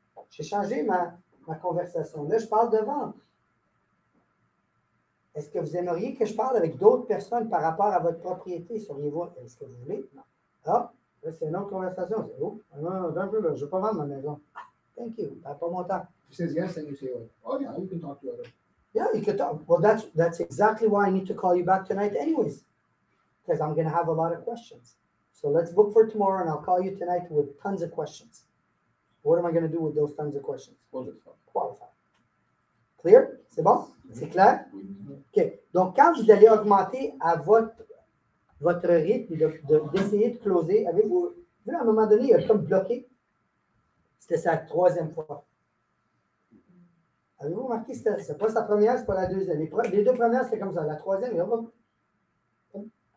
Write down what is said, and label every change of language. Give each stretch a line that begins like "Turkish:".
French: J'ai changé ma conversation. Là, je parle de vente. Est-ce que vous aimeriez que je parle avec d'autres personnes par rapport à votre propriété? Seriez-vous, est-ce que vous voulez? Non. Ah, là, c'est une autre conversation. C'est vous? Non, non, non, je ne veux pas vendre ma maison.
English: Thank you.
French: Ben, pas mon temps. Tu sais bien, c'est monsieur. Oh, il y a une autre
English: chose. Yeah, you could talk. Well, that's exactly why I need to call you back tonight anyways. Because I'm going to have a lot of questions. So let's book for tomorrow and I'll call you tonight with tons of questions. What am I going to do with those tons of questions? Qualify.
French: Clear? C'est bon? C'est clair? OK. Donc, quand vous allez augmenter à votre rythme d'essayer de closer, avez-vous vu à un moment donné, il a comme bloqué? C'était sa troisième fois. Avez-vous remarqué? C'est pas sa première, c'est pas la deuxième. Les deux premières, c'était comme ça. La troisième, il va. Okay.